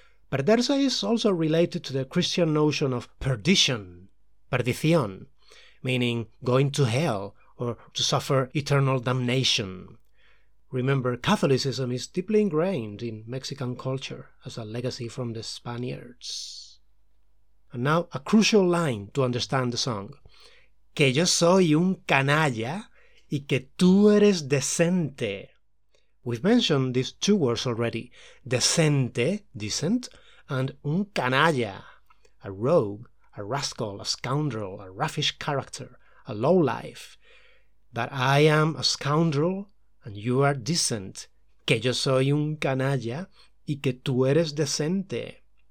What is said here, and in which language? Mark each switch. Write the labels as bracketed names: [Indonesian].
[English] Perderse is also related to the Christian notion of perdition, perdición, meaning going to hell or to suffer eternal damnation. Remember, Catholicism is deeply ingrained in Mexican culture as a legacy from the Spaniards. And now a crucial line to understand the song. [Spanish] Que yo soy un canalla y que tú eres decente. [English] We've mentioned these two words already. Decente, decent, and un canalla. A rogue, a rascal, a scoundrel, a raffish character, a lowlife. That I am a scoundrel and you are decent. [Spanish] Que yo soy un canalla y que tú eres decente.